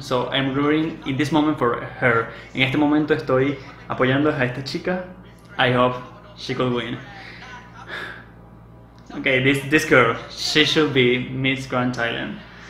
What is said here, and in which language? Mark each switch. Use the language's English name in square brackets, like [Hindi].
[English] So I'm rooting in this moment for her. [Spanish] En este momento estoy apoyando a esta chica. [English] I hope she could win. Okay, this girl, she should be Miss Grand Thailand.